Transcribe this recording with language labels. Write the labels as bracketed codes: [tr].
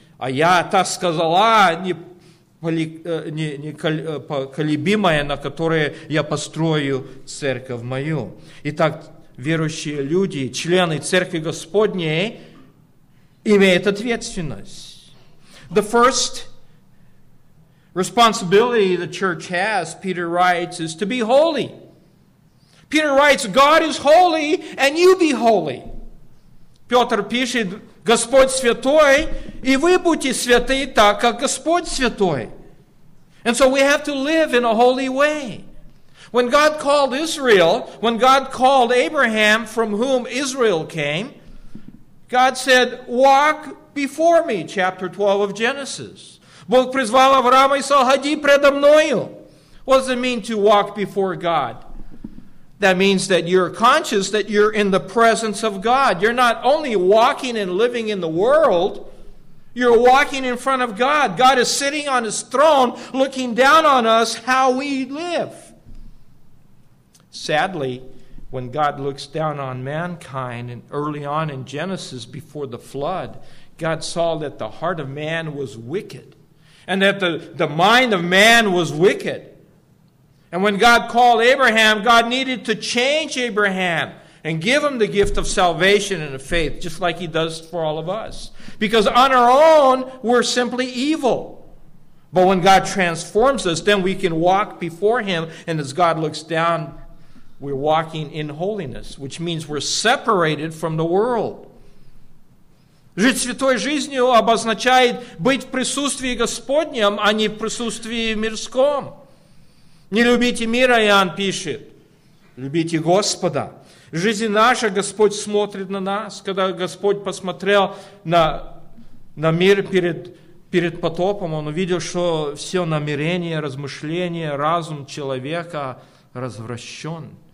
[ru] А я так сказала, непоколебимая, на которой я построю церковь мою. Итак, верующие люди, члены Церкви Господней, имеют ответственность. [en] The first responsibility the church has, Peter writes, is to be holy. Peter writes, God is holy, and you be holy. [ru] Петр пишет, Господь святой, и вы будьте святы так, как Господь святой. [en] And so we have to live in a holy way. When God called Israel, when God called Abraham, from whom Israel came, God said, walk before me, chapter 12 of Genesis. [ru] Бог призвал Авраама и сказал, ходи предо мною. [en] What does it mean to walk before God? That means that you're conscious that you're in the presence of God. You're not only walking and living in the world, you're walking in front of God. God is sitting on his throne looking down on us how we live. Sadly, when God looks down on mankind and early on in Genesis before the flood, God saw that the heart of man was wicked and that the mind of man was wicked. And when God called Abraham, God needed to change Abraham and give him the gift of salvation and of faith, just like he does for all of us. Because on our own, we're simply evil. But when God transforms us, then we can walk before him. And as God looks down, we're walking in holiness, which means we're separated from the world. [ru] Жить святой жизнью обозначает быть в присутствии Господнем, а не в присутствии мирском. Не любите мира, Иоанн пишет, любите Господа. Жизнь наша, Господь смотрит на нас. Когда Господь посмотрел на мир перед потопом, Он увидел, что все намерение, размышление, разум человека развращен.